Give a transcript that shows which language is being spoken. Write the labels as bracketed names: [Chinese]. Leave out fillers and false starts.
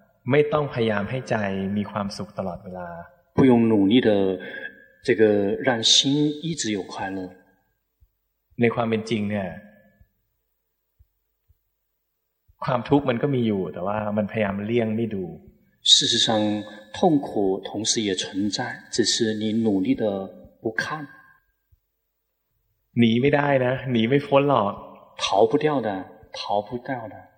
[Thai] ไม่ต้องพยายามให้ใจมีความสุขตลอดเวลา [Chinese] 不用努力的这个让心一直有快乐 [Thai] ในความเป็นจริงเนี่ยความทุกข์มันก็มีอยู่แต่ว่ามันพยายามเลี่ยงไม่ดู [Chinese] 事实上痛苦同时也存在只是你努力的不看 [Thai] หนีไม่ได้นะหนีไม่พ้นหรอก [Chinese] 逃不掉的逃不掉的